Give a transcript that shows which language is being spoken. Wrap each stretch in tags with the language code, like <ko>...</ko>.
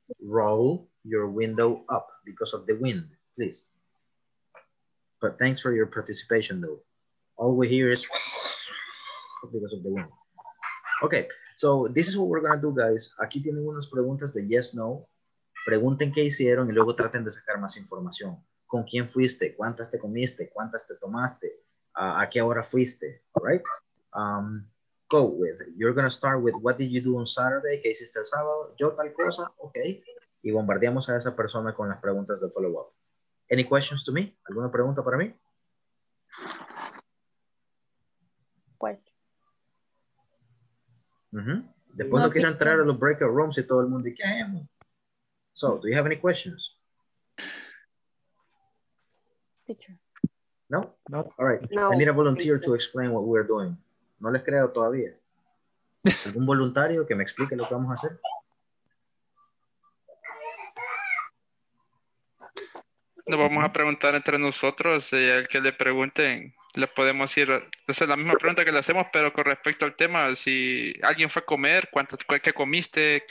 <en>Roll your window up because of the wind, please. But thanks for your participation, though. All we hear is because of the wind. Okay, so this is what we're gonna do, guys.</en> <es>Aquí tienen unas preguntas de yes, no. Pregunten qué hicieron y luego traten de sacar más información. ¿Con quién fuiste? ¿Cuántas te comiste? ¿Cuántas te tomaste? ¿A qué hora fuiste?</es> <en>All right? Go with it. You're gonna start with what did you do on Saturday?</en> <es>¿Qué hiciste el sábado? Yo tal cosa, okay. Y bombardeamos a esa persona con las preguntas de follow-up.</es> <en>Any questions to me?</en> <es>¿Alguna pregunta para mí? Mm-hmm. Después no quiero entrar a los breakout rooms y todo el mundo dice, ¿qué?</es> <en>So, do you have any questions? Teacher. No? No. All right. No. I need a volunteer to explain what we're doing.</en> <es>No les creo todavía. ¿Algún voluntario que me explique lo que vamos a hacer? Nos vamos a preguntar entre nosotros y al que le pregunten. Le podemos ir, esa es la misma pregunta que le hacemos, pero con respecto al tema, si alguien fue a comer, ¿qué comiste?</es>